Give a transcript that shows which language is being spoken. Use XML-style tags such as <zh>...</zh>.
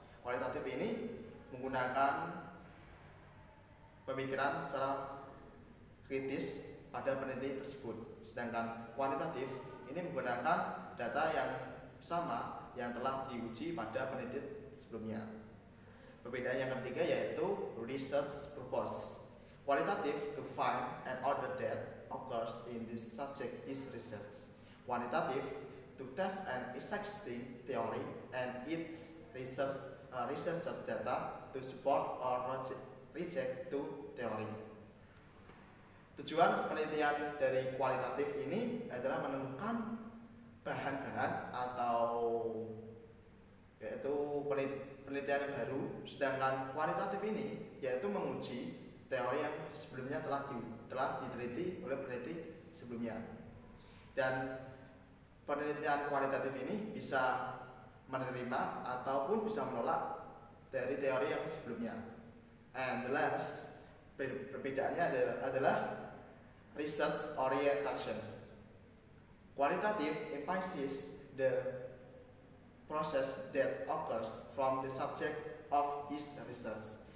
<id>Kualitatif ini menggunakan pemikiran secara kritis pada peneliti tersebut. Sedangkan kuantitatif ini menggunakan data yang sama yang telah diuji pada peneliti sebelumnya. Perbedaan yang ketiga yaitu research purpose.</id> <en>Qualitative to find an order that occurs in the subject is research. Quantitative to test an existing theory and its research data to support or reject to theory.</en> <id>Tujuan penelitian dari kualitatif ini adalah menemukan bahan-bahan atau yaitu penelitian yang baru, sedangkan kualitatif ini yaitu menguji teori yang sebelumnya telah diteliti oleh peneliti sebelumnya. Dan penelitian kualitatif ini bisa menerima ataupun bisa menolak dari teori yang sebelumnya.</id> <en>And the last</en> <id>perbedaannya adalah</id> <en>research orientation. Qualitative implies the process that occurs from the subject of his research.</en>